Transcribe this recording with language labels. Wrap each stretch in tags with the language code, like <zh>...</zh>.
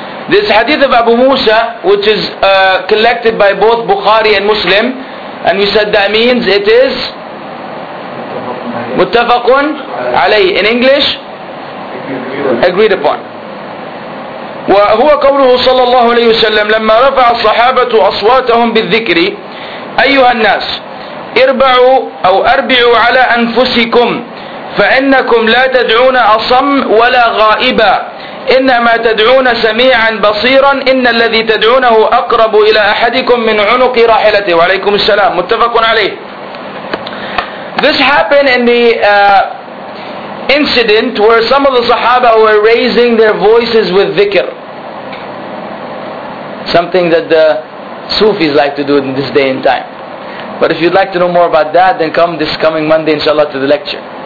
<en>This hadith of Abu Musa, which is collected by both Bukhari and Muslim, and we said that means it is متفقٌ عليه, in English, agreed upon.</en> <ar>وهو قوله صلى الله عليه وسلم لما رفع الصحابة أصواتهم بالذكر أيها الناس اربعوا أو أربعوا على أنفسكم فإنكم لا تدعون أصم ولا غائبا إنما تدعون سميعا بصيرا إن الذي تدعونه أقرب إلى أحدكم من عنق راحلته وعليكم السلام متفق عليه.</ar> <en>This happened in the incident where some of the Sahaba were raising their voices with dhikr, something that the Sufis like to do in this day and time. But if you'd like to know more about that, then come this coming Monday inshallah to the lecture.</en>